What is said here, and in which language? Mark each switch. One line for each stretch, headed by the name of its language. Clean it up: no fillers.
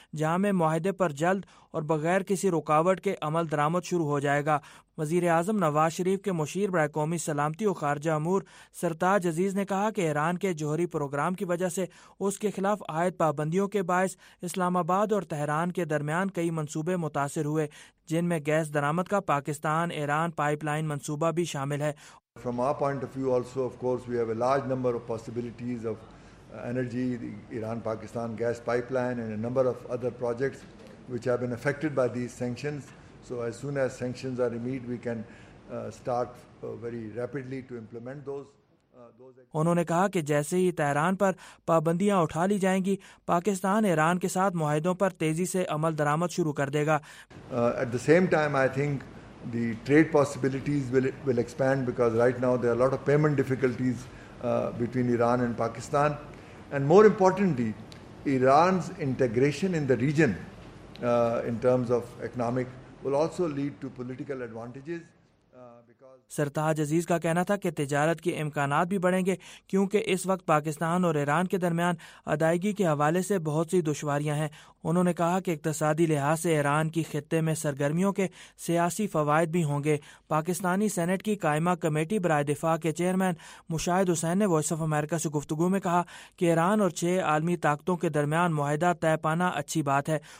Urdu: جامع معاہدے پر جلد اور بغیر کسی رکاوٹ کے عمل درآمد شروع ہو جائے گا۔ وزیر اعظم نواز شریف کے مشیر برائے قومی سلامتی و خارجہ امور سرتاج عزیز نے کہا کہ ایران کے جوہری پروگرام کی وجہ سے اس کے خلاف عائد پابندیوں کے باعث اسلام آباد اور تہران کے درمیان کئی منصوبے متاثر ہوئے، جن میں گیس درآمد کا پاکستان ایران پائپ لائن منصوبہ بھی شامل ہے۔
English: From our point of view also, of course, we have a large number of possibilities of energy, Iran-Pakistan gas pipeline and a number of other projects which have been affected by these sanctions. So as soon as sanctions are removed, we can start very rapidly to implement those.
Urdu: انہوں نے کہا کہ جیسے ہی Tehran پر پابندیاں اٹھا لی جائیں گی، پاکستان ایران کے ساتھ معاہدوں پر تیزی سے عمل درآمد شروع کر دے گا۔
English: At the same time, I think the trade possibilities will expand because right now there are a lot of payment difficulties between Iran and Pakistan. And more importantly, Iran's integration in the region in terms of economic will also lead to political advantages.
Urdu: سرتاج عزیز کا کہنا تھا کہ تجارت کے امکانات بھی بڑھیں گے، کیونکہ اس وقت پاکستان اور ایران کے درمیان ادائیگی کے حوالے سے بہت سی دشواریاں ہیں۔ انہوں نے کہا کہ اقتصادی لحاظ سے ایران کی خطے میں سرگرمیوں کے سیاسی فوائد بھی ہوں گے۔ پاکستانی سینٹ کی قائمہ کمیٹی برائے دفاع کے چیئرمین مشاہد حسین نے وائس آف امریکہ سے گفتگو میں کہا کہ ایران اور 6 عالمی طاقتوں کے درمیان معاہدہ طے پانا اچھی بات ہے۔